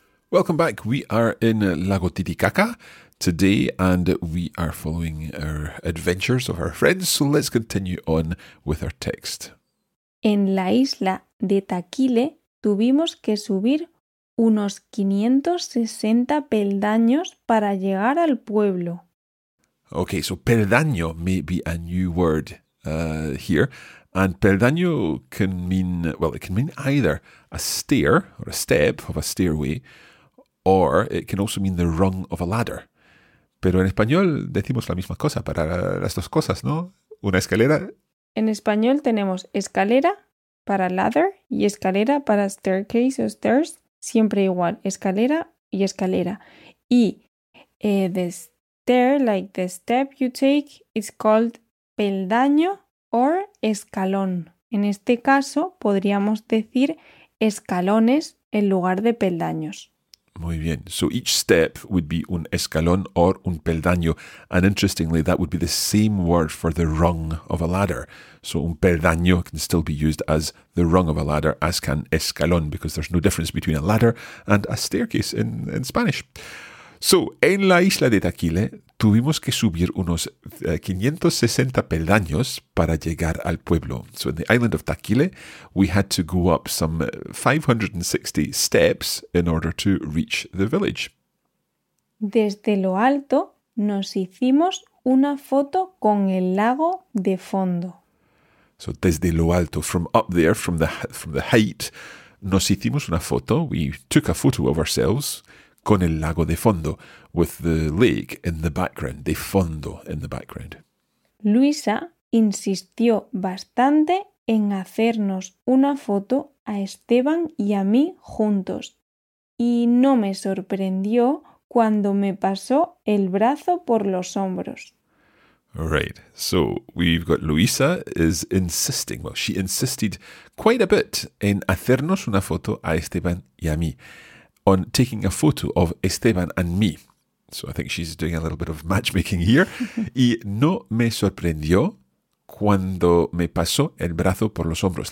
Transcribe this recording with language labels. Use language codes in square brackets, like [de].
[en] Welcome back. We are in Lago Titicaca today and we are following our adventures of our friends. So let's continue on with our text. [es] En la isla de Taquile tuvimos que subir unos 560 peldaños para llegar al pueblo. [en] Okay, so peldaño may be a new word here. And peldaño can mean, well, it can mean either a stair or a step of a stairway, or it can also mean the rung of a ladder. [es] Pero en español decimos la misma cosa para las dos cosas, ¿no? Una escalera. En español tenemos escalera para ladder y escalera para staircase o stairs. Siempre igual, escalera y escalera. [en] Y the stair, like the step you take, is called peldaño or escalón. [es] En este caso podríamos decir escalones en lugar de peldaños. Muy bien. [en] So each step would be un escalón or un peldaño. And interestingly, that would be the same word for the rung of a ladder. So un peldaño can still be used as the rung of a ladder, as can escalón, because there's no difference between a ladder and a staircase in Spanish. [es] So, en la isla de Taquile, tuvimos que subir unos 560 peldaños para llegar al pueblo. [en] So, in the island of Taquile, we had to go up some 560 steps in order to reach the village. [es] Desde lo alto, nos hicimos una foto con el lago de fondo. [en] So, [es] desde lo alto, [en] from up there, from the height, [es] nos hicimos una foto, [en] we took a photo of ourselves, [es] con el lago de fondo, [en] with the lake in the background, de fondo in the background. [es] Luisa insistió bastante en hacernos una foto a Esteban y a mí juntos. Y no me sorprendió cuando me pasó el brazo por los hombros. [en] Right, so we've got Luisa is insisting, well, she insisted quite a bit [es] en hacernos una foto a Esteban y a mí. [en] On taking a photo of Esteban and me. So I think she's doing a little bit of matchmaking here. [es] Y no me sorprendió cuando me pasó el brazo por los hombros.